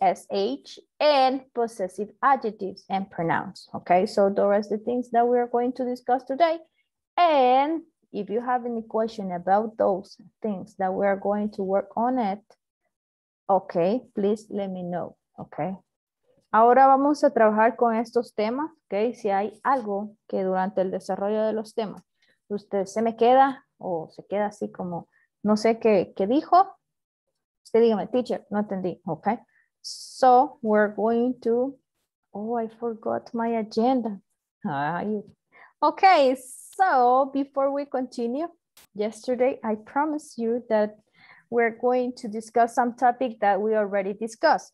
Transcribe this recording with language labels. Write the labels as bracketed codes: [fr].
[en] SH and possessive adjectives and pronouns, okay? So those are the things that we're going to discuss today. And if you have any question about those things that we're going to work on it, okay, please let me know, okay? [es] Ahora vamos a trabajar con estos temas, ok. Si hay algo que durante el desarrollo de los temas usted se me queda o se queda así como no sé qué dijo, usted dígame, teacher, no entendí, ok. [en] So we're going to, oh, I forgot my agenda. Okay, so before we continue, yesterday I promised you that we're going to discuss some topic that we already discussed.